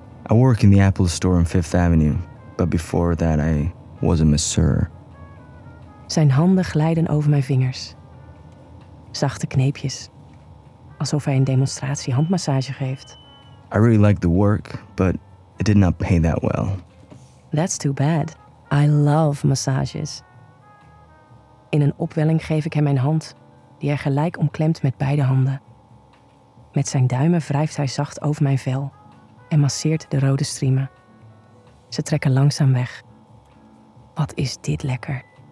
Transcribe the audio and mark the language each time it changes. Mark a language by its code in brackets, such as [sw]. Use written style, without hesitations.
[en] I work in the Apple Store on Fifth Avenue. But before that I was a masseur. [nl] Zijn handen glijden over mijn vingers. Zachte kneepjes. Alsof hij een demonstratie handmassage geeft. [en] I really liked the work, but it did not pay that well. That's too bad. I love massages. [nl] In een opwelling geef ik hem mijn hand, die hij gelijk omklemt met beide handen. Met zijn duimen wrijft hij zacht over mijn vel en masseert de rode striemen. Ze trekken langzaam weg. Wat is dit lekker.